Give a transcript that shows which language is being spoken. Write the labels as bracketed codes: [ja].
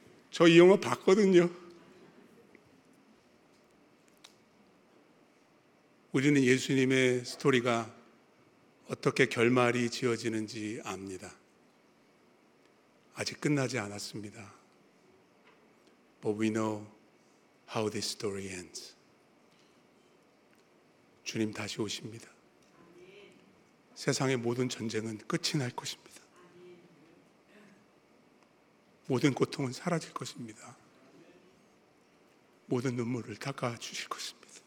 [ko] 저 이 영화 봤거든요. 우리는 예수님의 스토리가 어떻게 결말이 지어지는지 압니다. 아직 끝나지 않았습니다. [en] But we know how this story ends. [ko] 주님 다시 오십니다. 세상의 모든 전쟁은 끝이 날 것입니다. 모든 고통은 사라질 것입니다. 모든 눈물을 닦아 주실 것입니다.